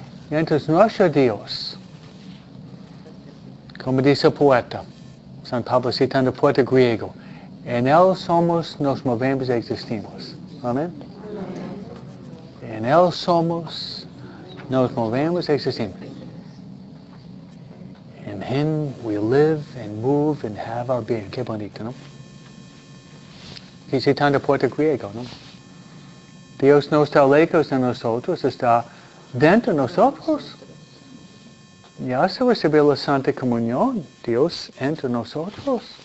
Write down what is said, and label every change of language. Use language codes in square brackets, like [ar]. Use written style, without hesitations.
[es] Y entonces nuestro Dios, como dice el poeta, San Pablo citando el poeta griego, en Él somos, nos movemos y existimos. Amén. En Él somos, nos movemos y existimos. [en] In Him we live and move and have our being. [es] Qué bonito, ¿no? Y citando el poeta griego, ¿no? Dios no está lejos de nosotros, está dentro de nosotros. Ya se recibió la Santa Comunión, Dios entre nosotros.